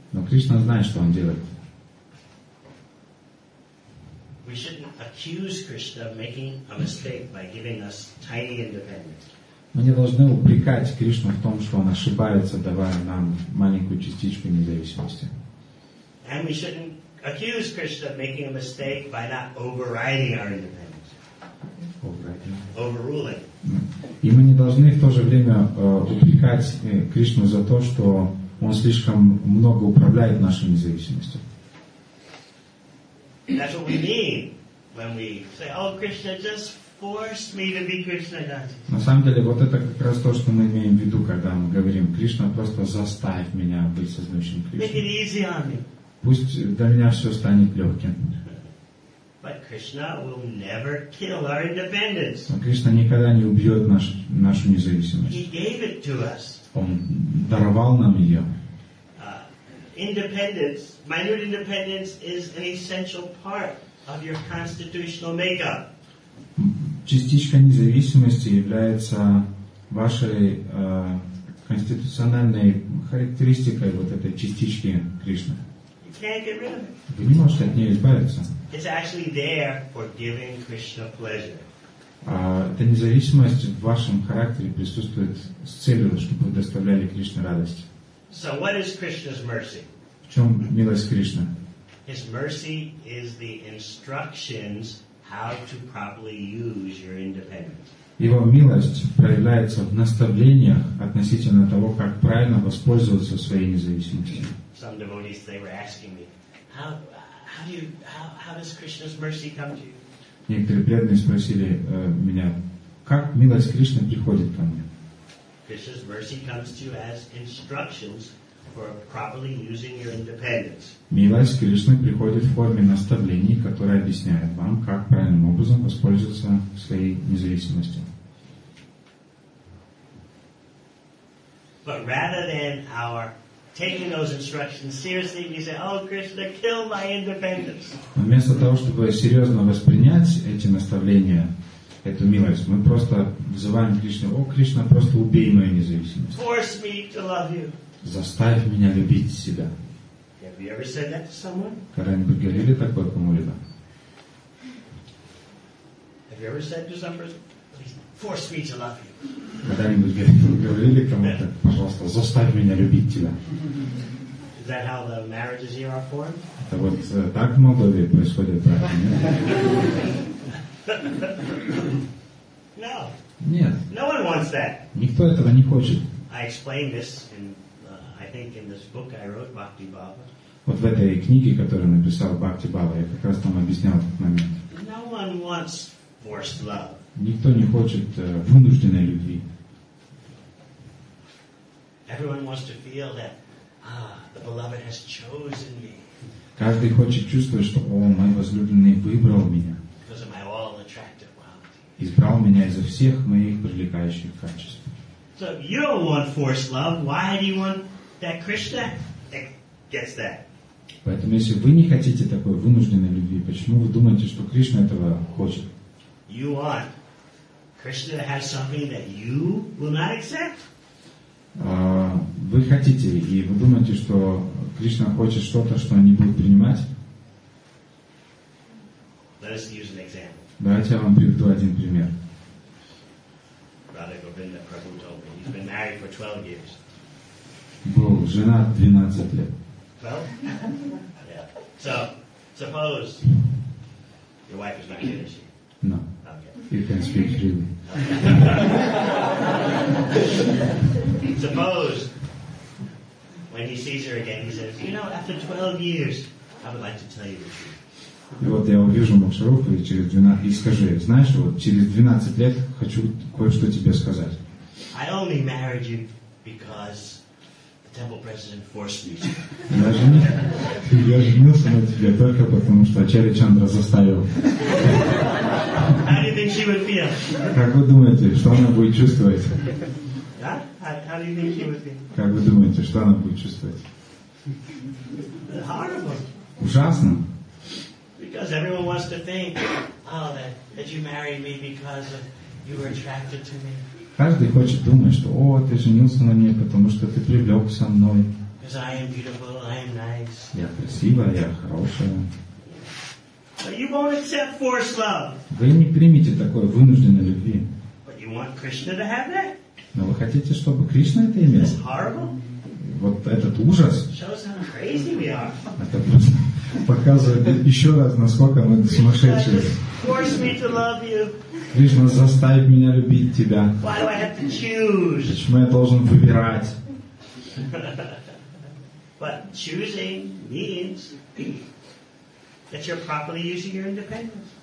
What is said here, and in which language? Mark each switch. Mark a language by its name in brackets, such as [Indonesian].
[Russian] Но Кришна знает, что он делает. [English] We shouldn't accuse Krishna of making a mistake by giving us tiny independence. [Russian] Мы не должны упрекать Кришну в том, что он ошибается, давая нам маленькую частичку независимости. [English] And we shouldn't accuse Krishna of making a mistake by not overriding our independence. Overruling. [Russian] И мы не должны в то же время упрекать Кришну за то, что он слишком много управляет нашей независимостью. [English] That's what we mean when we say, "Oh, Krishna just forced me to be Krishna Dasa." [Russian] На самом деле, вот это как раз то, что мы имеем в виду, когда мы говорим, Кришна просто заставит меня быть сознающим Кришной. [English] Make it easy on me. [Russian] Пусть для меня все станет легким. [English] But Krishna will never kill our independence. [Russian] Но Кришна никогда не убьет нашу независимость. [English] He gave it to us. [Russian] Он даровал нам ее. [English] Independence, minute independence, is an essential part of your constitutional makeup. [Russian] Частичка независимости является вашей конституциональной характеристикой вот этой частички Кришны. Вы не можете от нее избавиться. [English] It's actually there for giving Krishna pleasure. [Russian] Эта независимость в вашем характере присутствует с целью, чтобы вы доставляли Кришне радость. [English] So what is Krishna's mercy? [Russian] В чем милость Кришны? [English] His mercy is the instructions how to properly use your independence. [Russian] Его милость проявляется в наставлениях относительно того, как правильно воспользоваться своей независимостью. [English] Some devotees, they were asking me, how does Krishna's mercy come to you? [Russian] Некоторые преданные спросили меня, как милость Кришны приходит ко мне? [English] Krishna's mercy comes to you as instructions for properly using your independence. [Russian] Милость Кришны приходит в форме наставлений, которые объясняют вам, как правильным образом воспользоваться своей независимостью. [English] But rather than our taking those instructions seriously, we say, "Oh, Krishna, kill my independence." [Russian] Вместо того, чтобы серьезно воспринять эти наставления, эту милость, мы просто взываем Кришну: "О, Кришна, просто убей мою независимость." [English] Force me to love you. [Russian] Заставь меня любить себя. [English] Have you ever said that to someone? [Russian] Когда-нибудь говорили такое кому-либо? [English] Have you ever said to somebody, "Force me to love you"? [Russian] Когда-нибудь говорили кому-то, пожалуйста, заставь меня любить тебя. [English] Is that how the marriages here are formed? [Russian] Это вот так в Молдове происходит брак, нет? [English] No. [Russian] Нет. [English] No one wants that. [Russian] Никто этого не хочет. [English] I explained this in, I think, in this book I wrote, Bhakti Baba. [Russian] Вот в этой книге, которую написал Бхакти Баба, я как раз там объяснял этот момент. [English] No one wants forced love. [Russian] Никто не хочет вынужденной любви. [English] Everyone wants to feel that, the beloved has chosen me. [Russian] Каждый хочет чувствовать, что, о, мой возлюбленный выбрал меня. [English] Because of my all attractive qualities. [Russian] Избрал меня из-за всех моих привлекающих качеств. [English] So if you don't want forced love, why do you want that Krishna gets that? [Russian] Поэтому если вы не хотите такой вынужденной любви, почему вы думаете, что Кришна этого хочет? [English] You want Krishna to have something that you will not accept? [Russian] Вы хотите, и вы думаете, что Кришна хочет что-то, что он не будет принимать? [English] Let us use an example. [Russian] Давайте я вам приведу один пример. [English] Radha Govinda Prabhu told me. He's been married for 12 years. [Russian] Был женат 12 лет. [English] 12? Yeah. So, suppose your wife is not here, is she? No. You can speak freely. Suppose when he sees her again, he says, "You know, after 12 years, I would like to tell you the truth." [Russian] И вот я увижу Макшаруху и через 12 и скажу: "Знаешь, вот через 12 лет хочу кое-что тебе сказать." [English] I only married you because the temple president forced me to. [Russian] Я женился на тебе только потому, что Ачарья Чандра заставил. Как вы думаете, что она будет чувствовать? Как вы думаете, что она будет чувствовать? Ужасно. [English] Because everyone wants to think, oh, that you married me because you were attracted to me. [Russian] Каждый хочет думать, что, о, ты женился на мне, потому что ты привлекся мной. [English] Because I am beautiful, I am nice. [Russian] Я красивая, я хорошая. [English] But you won't accept forced love. [Russian] Вы не примете такой вынужденной любви. [English] But you want Krishna to have that? [Russian] Но вы хотите, чтобы Кришна это имел? [English] That's horrible. [Russian] Вот этот ужас. [English] Shows how crazy we are. [Russian] Это просто показывает еще раз, насколько мы сумасшедшие. [English] Krishna, force me to love you. [Russian] Кришна заставит меня любить тебя. [English] Why do I have to choose? [Russian] Почему я должен выбирать? [English] But choosing means that you're properly using your independence.